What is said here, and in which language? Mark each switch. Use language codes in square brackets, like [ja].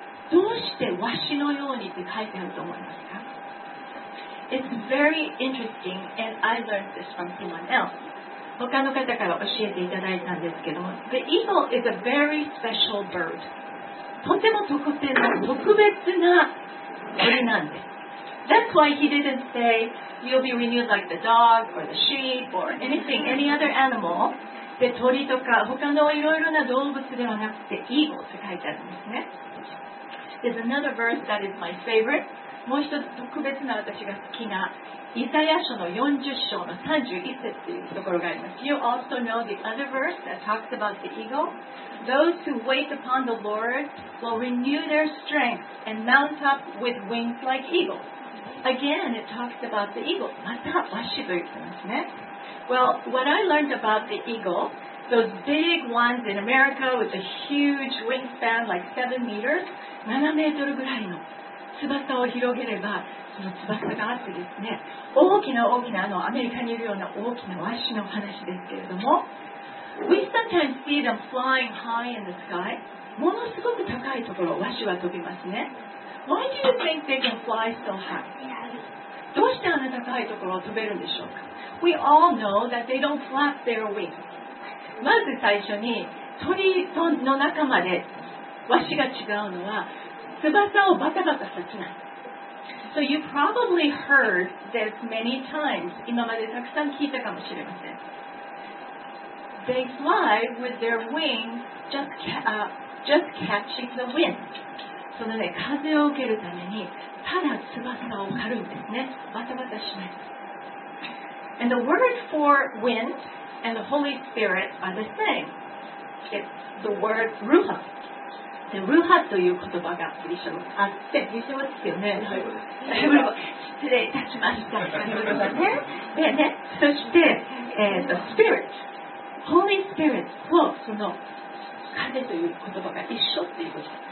[ja] どうしてわしのようにって書いてあると思いますか [en] It's very interesting, and I learned this from someone else. [ja] 他の方から教えていただいたんですけども、 [en] The eagle is a very special bird. [ja] とても特別な鳥なんです。 [en] That's why he didn't say you'll be renewed like the dog or the sheep or anything, any other animal. [ja] で、鳥とか他のいろいろな動物ではなくて、eagle って書いてあるんですね。 [en] There's another verse that is my favorite. [ja] もう一つ特別な私が好きなイザヤ書の40章の31節というところがあります。 [en] You also know the other verse that talks about the eagle. Those who wait upon the Lord will renew their strength and mount up with wings like eagles. Again, it talks about the eagle. [ja] またワシと言ってますね。 [en] Well, what I learned about the eagle, those big ones in America with a huge wingspan like 7 meters, [ja] 7メートルぐらいの翼を広げれば、その翼があってですね、大きな大きなアメリカにいるような大きなワシの話ですけれども、 [en] We sometimes see them flying high in the sky. [ja] ものすごく高いところ、ワシは飛びますね。 [en] Why do you think they can fly so high? [ja] どうしてあんな高いところを飛べるんでしょうか? [en] We all know that they don't flap their wings. [ja] まず最初に鳥の仲間でワシが違うのは翼をバタバタさせない。 [en] So you probably heard this many times. [ja] 今までたくさん聞いたかもしれません。 [en] They fly with their wings just catching the wind. [ja] その、ね、風を受けるためにただ翼を張るんですね。バタバタしない。 [en] And the word for wind and the Holy Spirit are the same. It's the word ruha. [ja] で、ルハという言葉がギリシャ語あって、ギリシャ語ですよね。失礼いたしました。でね、そして、Spirit。 Holy Spirit とその風という言葉が一緒っていうこと。